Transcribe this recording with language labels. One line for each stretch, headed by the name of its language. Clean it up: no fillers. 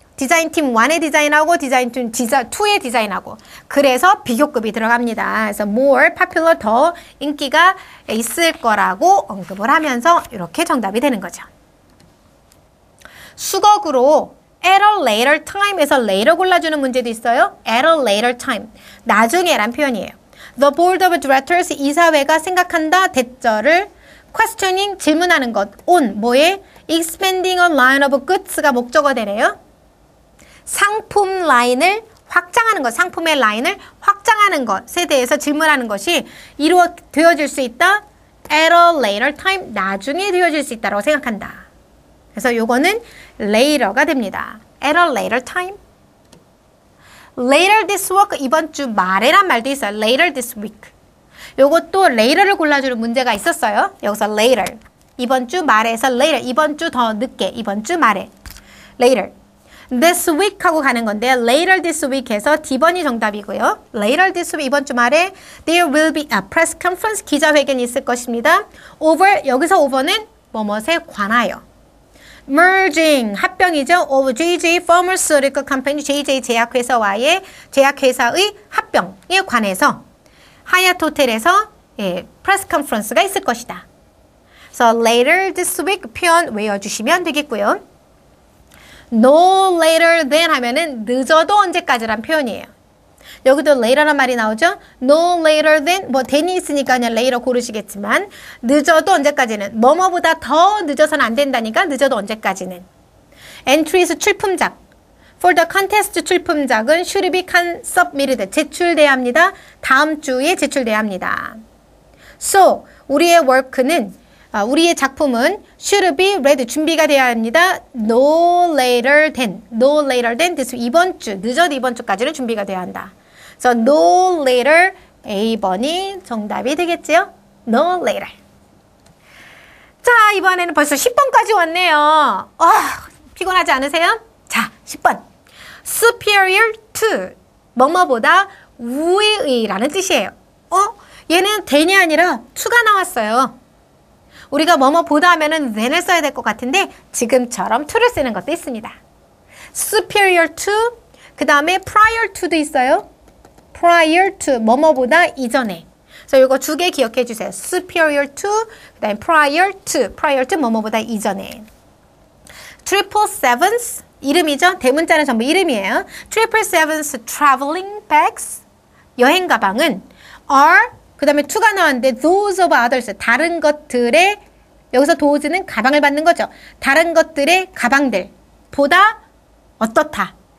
Korean: 디자인 팀 1의 디자인하고 디자인 팀 2의 디자인하고 그래서 비교급이 들어갑니다. 그래서 more popular 더 인기가 있을 거라고 언급을 하면서 이렇게 정답이 되는 거죠. 수거구로
English: at a later time
Korean: 에서 later 골라주는 문제도 있어요.
English: at a later time.
Korean: 나중에란 표현이에요.
English: The board of directors
Korean: 이사회가 생각한다. 대절을 questioning 질문하는 것. on 뭐에?
English: expanding a line of goods가
Korean: 목적어 되래요. 상품 라인을 확장하는 것. 상품의 라인을 확장하는 것에 대해서 질문하는 것이 이루어질 수 있다.
English: at a later time.
Korean: 나중에 되어질 수 있다라고 생각한다. 그래서 요거는 later가 됩니다. at a later time. later this week, 이번 주 말에란 말도 있어요.
English: later this week.
Korean: 요것도 later를 골라주는 문제가 있었어요. 여기서 later. 이번 주 말에서 later. 이번 주 더 늦게. 이번 주 말에. later. this week 하고 가는 건데 later this week 해서 D번이 정답이고요. later this week, 이번 주 말에
English: there will be a press conference,
Korean: 기자회견이 있을 것입니다. over, 여기서 over는 뭐뭇에 관하여. merging, 합병이죠.
English: of JJ Pharmaceutical Company,
Korean: JJ 제약회사와의 제약회사의 합병에 관해서 하얏 호텔에서 예, 프레스 컨퍼런스가 있을 것이다. So later this week 표현 외워주시면 되겠고요. No later than 하면은 늦어도 언제까지란 표현이에요. 여기도 later란 말이 나오죠? No later than, 뭐 then이 있으니까 그냥 later 고르시겠지만 늦어도 언제까지는, 뭐뭐보다 더 늦어서는 안 된다니까 늦어도 언제까지는. Entries 출품작. For the contest 출품작은
English: should be submitted,
Korean: 제출돼야 합니다. 다음 주에 제출돼야 합니다. So, 우리의 work는, 우리의 작품은
English: should be ready,
Korean: 준비가 돼야 합니다. No later than, no later than, 즉 이번 주, 늦어도 이번 주까지는 준비가 돼야 한다. So, no later, A번이 정답이 되겠지요?
English: No later.
Korean: 자, 이번에는 벌써 10번까지 왔네요. 아, 피곤하지 않으세요? 자, 10번. Superior to, 뭐뭐보다 위의라는 뜻이에요. 어? 얘는 than이 아니라 to가 나왔어요. 우리가 뭐뭐보다 하면은 than을 써야 될 것 같은데 지금처럼 to를 쓰는 것도 있습니다. Superior to, 그 다음에 prior to도 있어요. Prior to, 뭐뭐보다 이전에. 그래서 이거 두 개 기억해 주세요. Superior to, 그 다음에 prior to, prior to, 뭐뭐보다 이전에.
English: Triple sevens,
Korean: 이름이죠? 대문자는 전부 이름이에요. Triple sevens traveling bags, 여행 가방은 are, 그 다음에 to가 나왔는데
English: those of others,
Korean: 다른 것들의, 여기서 those는 가방을 받는 거죠. 다른 것들의 가방들 보다 어떻다.